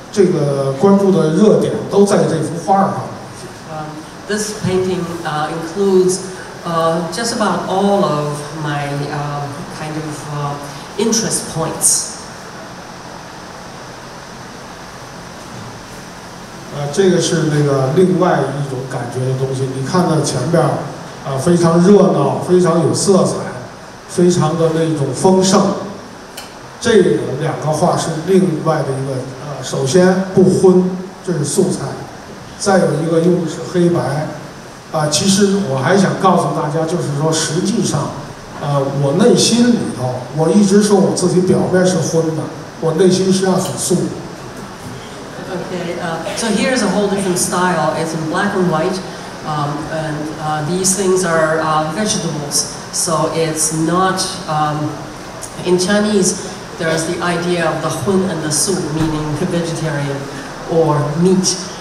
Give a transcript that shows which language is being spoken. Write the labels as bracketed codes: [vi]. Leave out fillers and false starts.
[zh] 至少就是我自己关注的，都这个关注的热点都在这幅画上。 [en] This painting includes just about all of my kind of interest points. [zh] 这个是那个另外一种感觉的东西。你看到前边非常热闹，非常有色彩，非常的那种丰盛。这两个画是另外的一个，首先不荤，这是素材。再有一个又是黑白，其实我还想告诉大家，就是说，实际上，我内心里头，我一直说我自己表面是荤的，我内心实际上很素。 [en] Okay, so here's a whole different style. It's in black and white, and these things are vegetables. So it's not, in Chinese, there's the idea of the hun and the su, meaning the vegetarian or meat.